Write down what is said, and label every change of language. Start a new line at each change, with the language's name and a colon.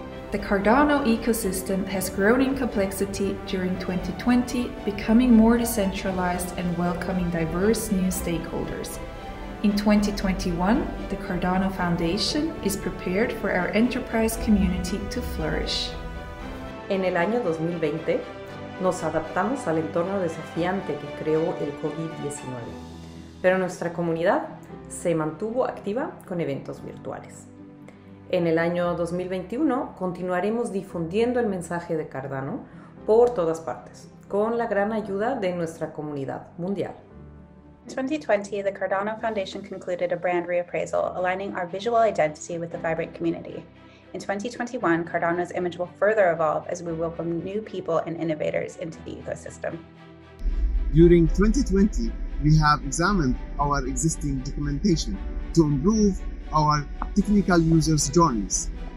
English: The Cardano ecosystem has grown in complexity during 2020, becoming more decentralized and welcoming diverse new stakeholders. In 2021, the Cardano Foundation is prepared for our enterprise community to flourish.
Spanish: En el año 2020, nos adaptamos al entorno desafiante que creó el COVID-19, pero nuestra comunidad se mantuvo activa con eventos virtuales. En el año 2021 continuaremos difundiendo el mensaje de Cardano por todas partes, con la gran ayuda de nuestra comunidad mundial.
English: In 2020, the Cardano Foundation concluded a brand reappraisal, aligning our visual identity with the vibrant community. In 2021, Cardano's image will further evolve as we welcome new people and innovators into the ecosystem. During 2020, we have examined our existing documentation to improve our technical users' journeys.